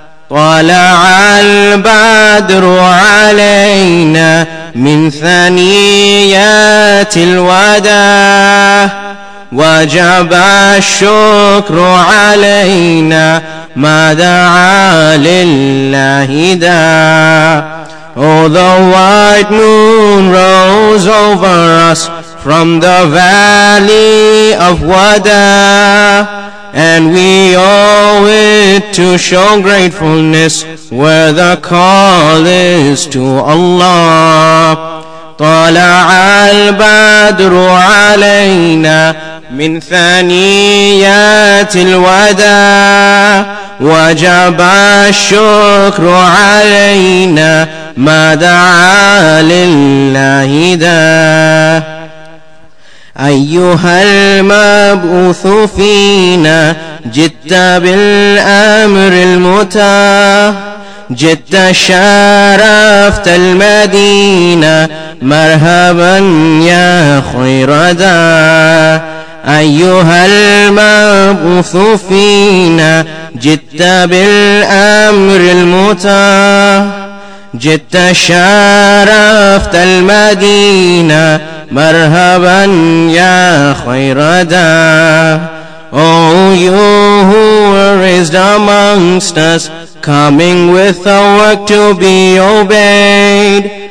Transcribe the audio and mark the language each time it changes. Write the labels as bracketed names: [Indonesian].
[Arabic] طلع البدر علينا من ثنيات الوداع, وجب الشكر علينا ما دعا لله دا. [English] Oh, the white moon rose over us from the valley of Wada, and we owe it to show gratefulness where the call is to Allah. [Arabic] طلع البدر علينا من ثنيات الوداع, وجب الشكر علينا ما دعا لله دا. أيها المبعوث فينا جئت بالأمر المتاع, جئت شرفت المدينة مرحبا يا خير دا. أيها المبعوث فينا جئت بالأمر المتاع, جئت شرفت المدينة مرحبا يا خير دا. [English] Oh, you who were raised amongst us, coming with a work to be obeyed,